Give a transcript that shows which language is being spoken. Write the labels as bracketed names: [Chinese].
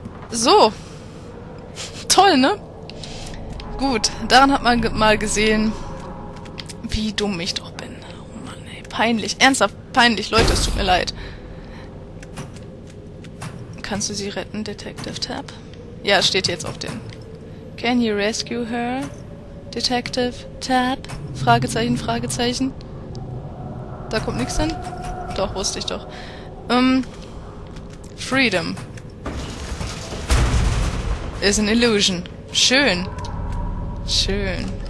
[German] So. Toll, ne? Gut, daran hat man mal gesehen, wie dumm ich doch bin. Oh Mann, ey, peinlich. Ernsthaft peinlich. Leute, es tut mir leid. Kannst du sie retten, Detective Tab? Ja, steht jetzt auf dem. [English] Can you rescue her, Detective Tab? [German] Fragezeichen, Fragezeichen. Da kommt nichts hin. Doch, wusste ich doch. [English] Freedom. [German] Ist eine Illusion. Schön. Schön.